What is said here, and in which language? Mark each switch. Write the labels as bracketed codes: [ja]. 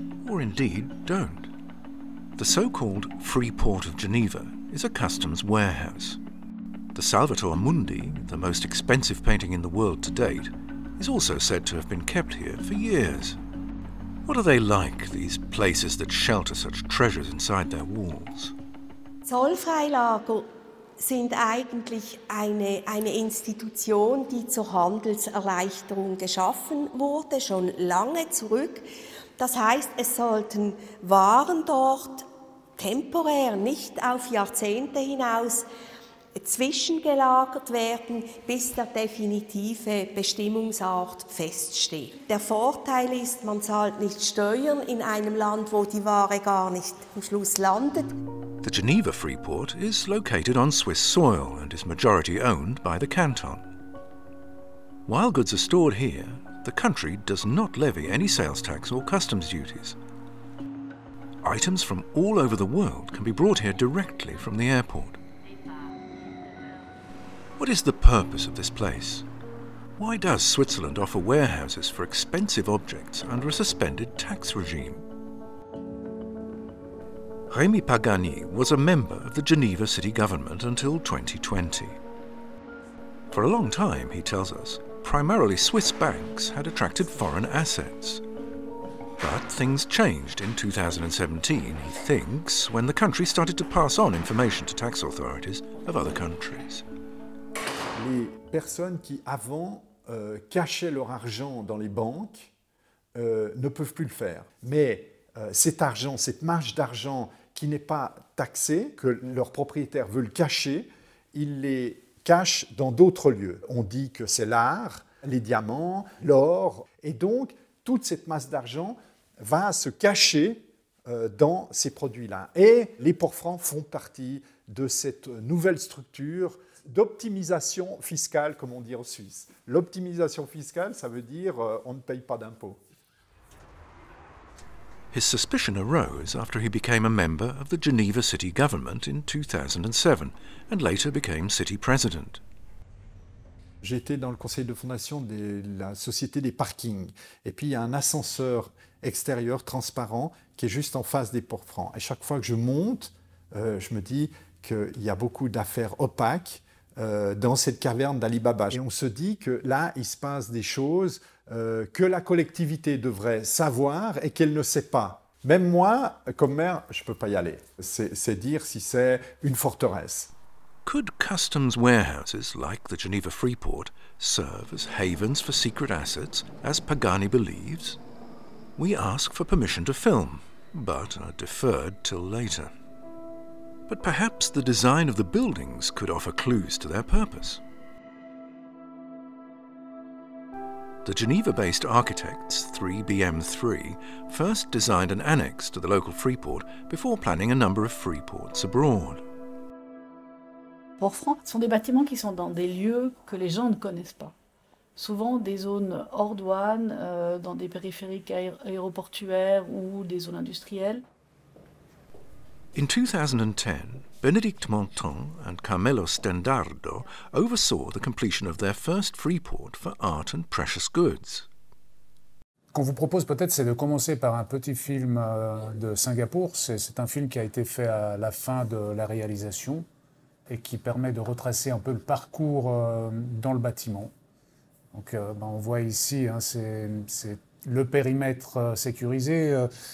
[en] or indeed don't. The so-called Freeport of Geneva is a customs warehouse. The Salvator Mundi, the most expensive painting in the world to date, is also said to have been kept here for years. What are they like, these places that shelter such treasures inside their walls? [de] Zollfreilager sind eigentlich eine Institution, die zur Handelserleichterung geschaffen wurde, schon lange zurück. Das heißt, es sollten Waren dort temporär, nicht auf Jahrzehnte hinaus, zwischengelagert werden, bis der definitive Bestimmungsort feststeht. Der Vorteil ist, man zahlt nicht Steuern in einem Land, wo die Ware gar nicht am Schluss landet. [en] The Geneva Freeport is located on Swiss soil and is majority owned by the canton. While goods are stored here, the country does not levy any sales tax or customs duties. Items from all over the world can be brought here directly from the airport. What is the purpose of this place? Why does Switzerland offer warehouses for expensive objects under a suspended tax regime? Rémi Pagani was a member of the Geneva city government until 2020. For a long time, he tells us, primarily Swiss banks had attracted foreign assets. But things changed in 2017, he thinks, when the country started to pass on information to tax authorities of other countries. [fr] Les personnes qui avant cachaient leur argent dans les banques ne peuvent plus le faire. Mais cet argent, cette marge d'argent qui n'est pas taxé, que leurs propriétaires veulent cacher, ils les cachent dans d'autres lieux. On dit que c'est l'art, les diamants, l'or. Et donc, toute cette masse d'argent va se cacher dans ces produits-là. Et les ports francs font partie de cette nouvelle structure d'optimisation fiscale, comme on dit en Suisse. L'optimisation fiscale, ça veut dire on ne paye pas d'impôts. [en] His suspicion arose after he became a member of the Geneva city government in 2007 and later became city president. [fr] J'étais dans le conseil de fondation de la société des parkings. Et puis il y a un ascenseur extérieur transparent qui est juste en face des ports francs. Et chaque fois que je monte, je me dis qu'il y a beaucoup d'affaires opaques dans cette caverne d'Ali Baba. Et on se dit que là, il se passe des choses que la collectivité devrait savoir et qu'elle ne sait pas. Même moi, comme maire, je ne peux pas y aller. C'est dire si c'est une forteresse. [en] Could customs warehouses like the Geneva Freeport serve as havens for secret assets, as Pagani believes? We ask for permission to film, but are deferred till later. But perhaps the design of the buildings could offer clues to their purpose. The Geneva-based architects, 3BM3, first designed an annex to the local Freeport before planning a number of Freeports abroad. [fr] Ports francs sont des bâtiments qui sont dans des lieux que les gens ne connaissent pas. Souvent des zones hors douane, dans des périphériques aéroportuaires ou des zones industrielles. [en] In 2010, Benedict Montand and Carmelo Stendardo oversaw the completion of their first freeport for art and precious goods. [fr] Qu'on vous propose peut-être, c'est de commencer par un petit film de Singapour. C'est un film qui a été fait à la fin de la réalisation et qui permet de retracer un peu le parcours dans le bâtiment. Donc, on voit ici, hein, c'est le périmètre sécurisé.